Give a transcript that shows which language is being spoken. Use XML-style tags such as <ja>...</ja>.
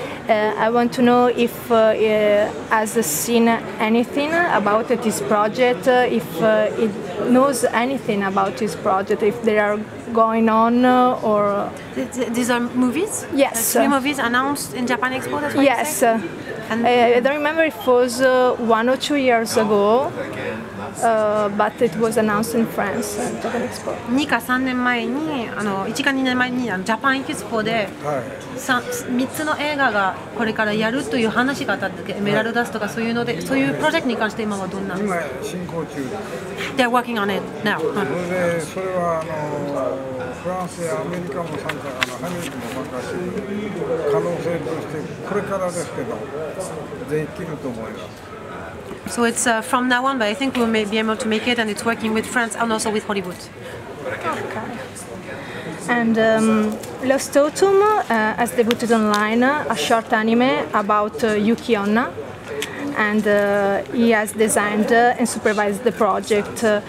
<en>I want to know if he has seen anything about this project, if he knows anything about this project, if they are going on or... These are movies? Yes. Three movies announced in Japan Expo, that's what yes. you say? Yes. I don't remember if it was 1 or 2 years ago, but it was announced in France, Japan Expo.</en> <ja>2か3年前に、1か2年前に Japan Expo で 3つの映画がこれからやるという話があったんですけど、エメラルダスとかそういうので、そういうプロジェクトに関して今はどんな？今進行中。</ja> <en>They're working on it now.</en> <ja>それで、それはフランスやアメリカも参加、ハリウッドも参加する可能性としてこれからですけど、できると思います。</ja> <en>So it's from now on, but I think we may be able to make it, and it's working with France and also with Hollywood. Okay. And Lost Totem has debuted online, a short anime about Yuki Onna, and he has designed and supervised the project.</en>